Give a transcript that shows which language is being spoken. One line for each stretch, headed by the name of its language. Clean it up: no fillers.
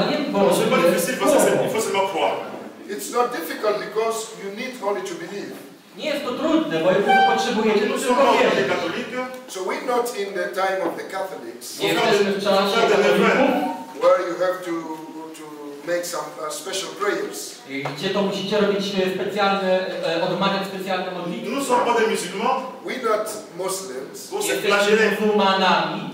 English: It's not difficult because you need only to believe.
Polish: Nie jest to trudne, bo jego potrzebujecie tylko wierzyć.
English: So we're not in the time of the Catholics.
Polish: Nie jesteśmy w czasie katolików,
English: where you have to make some special prayers.
Polish: Gdzie to musicie robić specjalne, odmawiać specjalne modlitwy.
English: We're not Muslims.
Polish: Nie jesteśmy muzułmanami.